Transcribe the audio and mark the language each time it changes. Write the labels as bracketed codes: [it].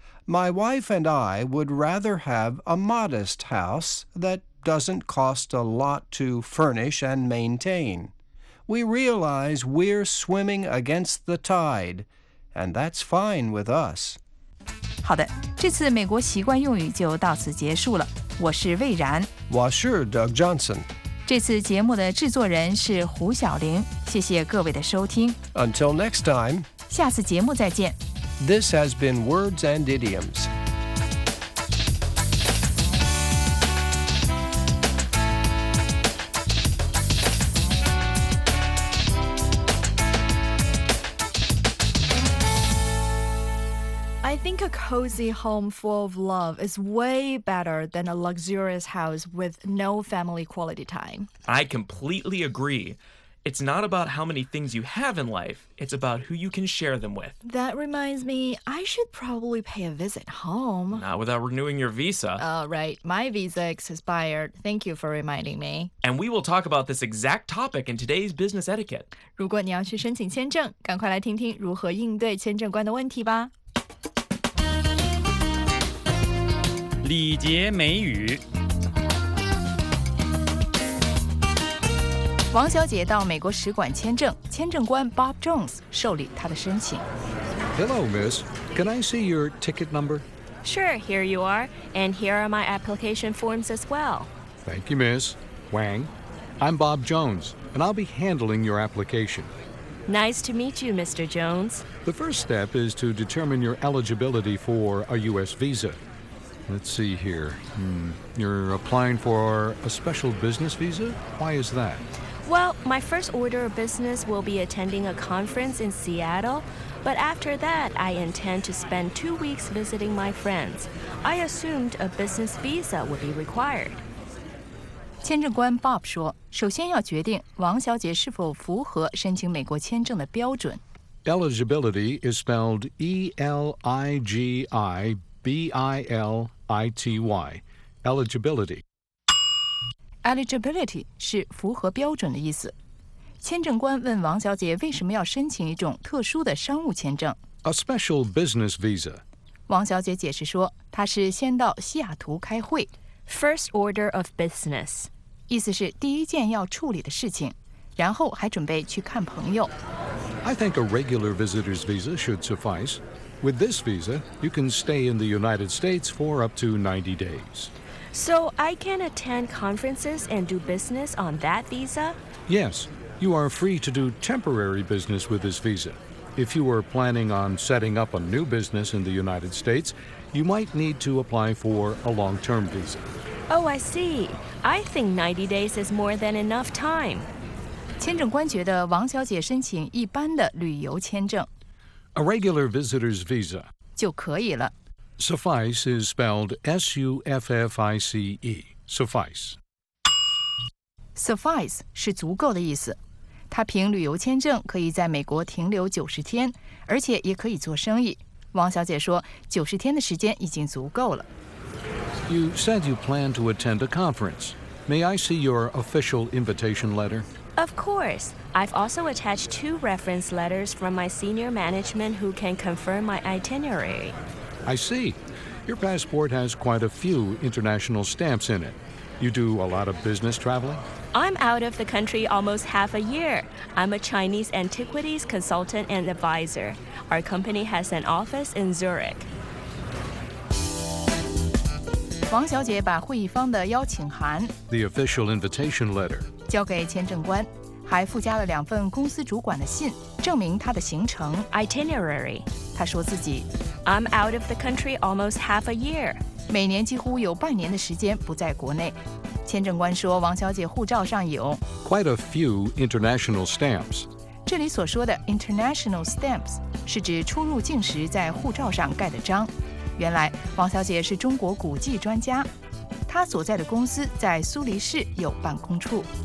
[en] My wife and I would rather have a modest house that doesn't cost a lot to furnish and maintain. We realize we're swimming against the tide, and that's fine with us. [zh] 好的，这次美国习惯用语就到此结束了。我是魏然。我是 Doug Johnson。这次节目的制作人是胡晓玲。谢谢各位的收听。 [en] Until next time. [zh] 下次节目再见。 [en] This has been Words and Idioms. I think a cozy home full of love is way better than a luxurious house with no family quality time. I completely agree. It's not about how many things you have in life. It's about who you can share them with. That reminds me, I should probably pay a visit home. Not without renewing your visa. Right. My visa expired. Thank you for reminding me. And we will talk about this exact topic in today's business etiquette. [zh] 如果你要去申请签证，赶快来听听如何应对签证官的问题吧。礼节美语。王小姐到美国使馆签证，签证官 Bob Jones 受理她的申请。 [en] Hello, miss. Can I see your ticket number? Sure, here you are. And here are my application forms as well. Thank you, miss. Wang. I'm Bob Jones, and I'll be handling your application. Nice to meet you, Mr. Jones. The first step is to determine your eligibility for a U.S. visa. Let's see here. You're applying for a special business visa? Why is that? Well, my first order of business will be attending a conference in Seattle, but after that, I intend to spend 2 weeks visiting my friends. I assumed a business visa would be required. [zh] 签证官 Bob 说，首先要决定王小姐是否符合申请美国签证的标准。 [en] Eligibility is spelled E-L-I-G-I-B-I-L-I-T-Y. Eligibility. [zh] Eligibility 是符合标准的意思。签证官问王小姐为什么要申请一种特殊的商务签证。 [en] A special business visa. [zh] 王小姐解释说，她是先到西雅图开会。 [en] First order of business. [zh] 意思是第一件要处理的事情，然后还准备去看朋友。 [en] I think a regular visitor's visa should suffice. With this visa, you can stay in the United States for up to 90 days. So I can attend conferences and do business on that visa? Yes, you are free to do temporary business with this visa. If you were planning on setting up a new business in the United States, you might need to apply for a long-term visa. Oh, I see. I think 90 days is more than enough time. [zh] 签证官觉得王小姐申请一般的旅游签证。 [en] A regular visitor's visa. [zh] 就可以了。 [en] Suffice is spelled S-U-F-F-I-C-E. Suffice. [zh] Suffice 是足够的意思。他凭旅游签证可以在美国停留90天，而且也可以做生意。王小姐说，90天的时间已经足够了。 [en] You said you plan to attend a conference. May I see your official invitation letter? Of course. I've also attached 2 reference letters from my senior management who can confirm my itinerary. I see. Your passport has quite a few international stamps in it. You do a lot of business traveling? I'm out of the country almost half a year. I'm a Chinese antiquities consultant and advisor. Our company has an office in Zurich. [zh] 王小姐把会议方的邀请函 [en] The official invitation letter [zh] 交给签证官，还附加了两份公司主管的信，证明她的行程 [en] Itinerary. [zh] 她说自己 [en] I'm out of the country almost half a year. [zh] 每年几乎有半年的时间不在国内。签证官说，王小姐护照上有 [en] quite a few international stamps. [zh] 这里所说的 [en] international stamps [zh] 是指出入境时在护照上盖的章。原来王小姐是中国古迹专家，她所在的公司在苏黎世有办公处。